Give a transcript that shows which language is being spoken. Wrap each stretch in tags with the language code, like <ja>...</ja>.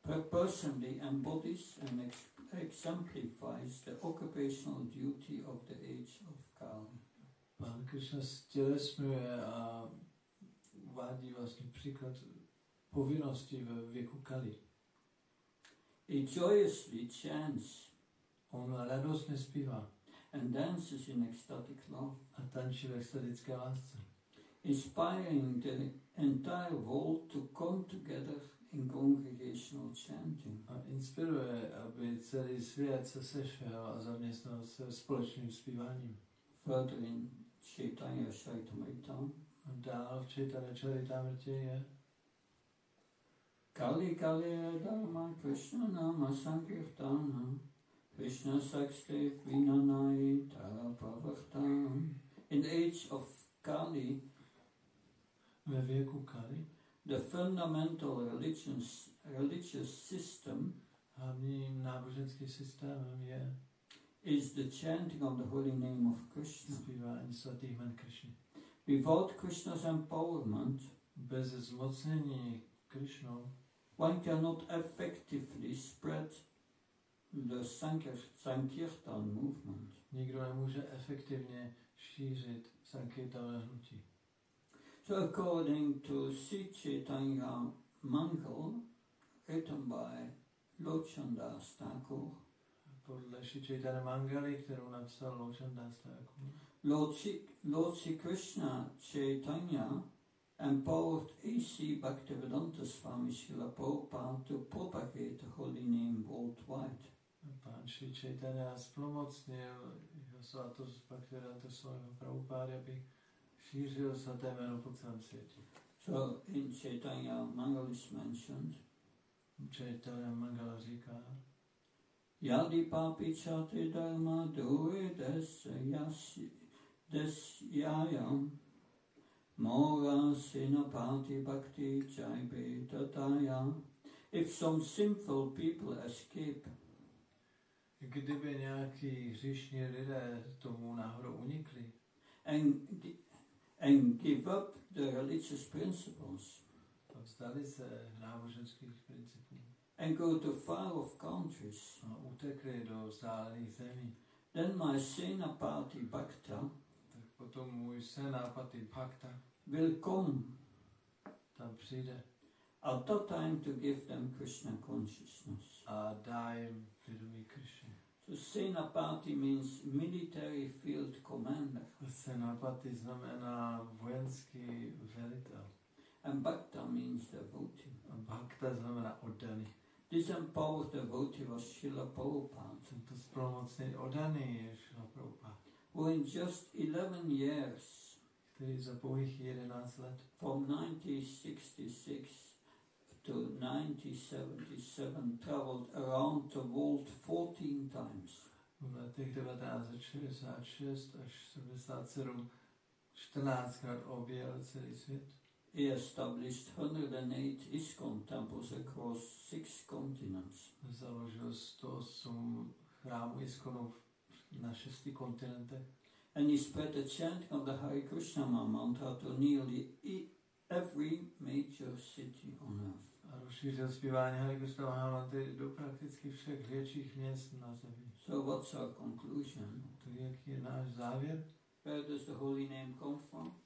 <en>personally embodies and exemplifies the occupational duty of the age of Kali.</en> <cs>Pán Krishna stělesňuje a uvádí vlastně příklad povinnosti ve věku Kali.</cs> <en>He joyously chants.</en> <cs>On radostně zpívá.</cs> <en>And dances in ecstatic love.</en> <cs>A tančí v ekstatické lásce.</cs> <en>Inspiring the entire world to come together in congregational chanting.</en> <cs>A inspiruje, aby celý svět se sešel a zaměstnal se společným zpíváním.</cs> <en>Further in Chaitanya Charitamrita.</en> <cs>A dál v Chaitanya Charitamrita je.</cs> <sa>Kali Kali Dharma Krishna Nama Sankirtana Krishna Sakste Vinanai Tara Pravartan.</sa> <en>In the age of Kali,</en> <cs>ve věku Kali,</cs> <en>the fundamental religious system,</en> <cs>hlavním náboženským systémem je,</cs> <en>is the chanting of the holy name of Krishna.</en> <cs>Zpívání svatých jmen Krishna.</cs> <en>Without Krishna's empowerment,</en> <cs>bez zmocnění Krishna,</cs> <en>one cannot effectively spread the Sankirtan movement.</en> <cs>Nikdo nemůže efektivně šířit Sankirtana hnutí.</cs> <en>So according to Sri Chaitanya Mangal, written by Lord Chandas Thakur,</en> <cs>podle Sri Chaitanya Mangali, kterou napsal Lord Chandas Thakur,</cs> <en>Lord Sri Krishna Chaitanya empowered A.C. Bhaktivedanta Swami Srila Prabhupada to propagate the holy name worldwide.</en> <cs>Pán Sri Chaitanya zplomocnil jeho svátost Bhaktivedanta Swami Prabhupada, aby šířil svaté jméno po celém světě.</cs> <en>So in Chaitanya Mangal is mentioned.</en> <cs>Chaitanya Mangala říká,</cs> <sa>Yadi papi chate dharma duhi desyayam Mora sinapati bhakti jai betataya.</sa> <en>If some sinful people escape.</en> <cs>Kdyby nějaký hříšní lidé tomu náhodou unikli.</cs> <en>And give up the religious principles.</en> <cs>Vzdali se náboženských principů.</cs> <en>And go to far off countries.</en> <cs>A utekli do vzdálených zemí.</cs> <en>Then my sinapati bhakta.</en> <cs>Tak potom můj sinapati bhakta.</cs> <en>Will come.</en> <cs>Tam přijde.</cs> <en>At that time to give them Krishna consciousness.</en> <cs>A dá jim vědomí Krishna.</cs> <en>So Senapati means military field commander.</en> <cs>Senapati znamená vojenský velitel.</cs> <en>And Bhakta means devotee.</en> <cs>A Bhakta znamená oddaný.</cs> <en>This empowered devotee was Srila Prabhupada.</en> <cs>Tento zpromocněný oddaný je Srila Prabhupada.</cs> <en>Who in just 11 years</en> <cs>za pouhých 11 let.</cs> <en>From 1966 to 1977 traveled around the world 14 times.</en> <cs>V letech 1966 až 77 14krát objel celý svět.</cs> <en>He established 108 ISKCON temples across 6 continents.</en> <cs>Založil 108 chrámů ISKCONů na 6 kontinentech.</cs> <en>And he spread the chanting of the Hare Krishna mantra to nearly every major city on earth.</en> <cs>A rozšířil zpívání Hare Krishna mantry do prakticky všech větších měst na zemi.</cs> <en>So what's our conclusion?</en> <cs>To jaký je náš závěr?</cs> <en>Where does the holy name come from?</en>